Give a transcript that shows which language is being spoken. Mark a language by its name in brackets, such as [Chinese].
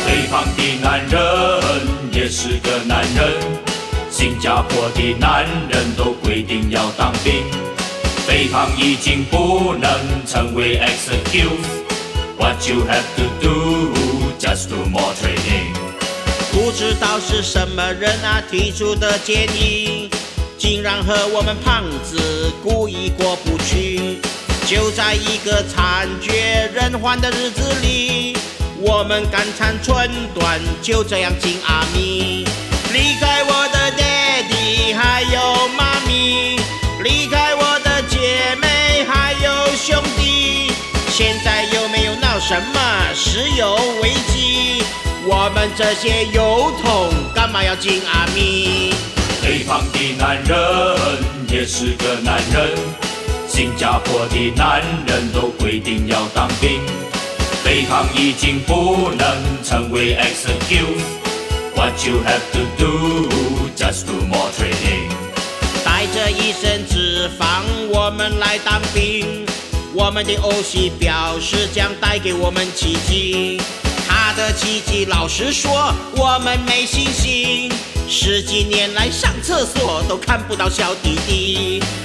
[Chinese] 方的男人也是个男人，新加坡的男人都规定要当兵，肥胖已经不能成为 excuse。 [English] What you have to do just do more training。 [Chinese] 不知道是什么人啊提出的建议，竟然和我们胖子故意过不去。就在一个惨绝人寰的日子里，我们肝肠寸断，就这样进阿弥。离开我的爹地还有妈咪，离开我的姐妹还有兄弟，现在又没有闹什么石油危机，我们这些油桶干嘛要进阿弥。肥胖的男人也是个男人，新加坡的男人都规定要当兵，肥胖已经不能成为 excuse。 [English] What you have to do just do more training。 [Chinese] 带着一身脂肪我们来当兵，我们的OC表示将带给我们奇迹，他的奇迹老实说我们没信心，十几年来上厕所都看不到小弟弟。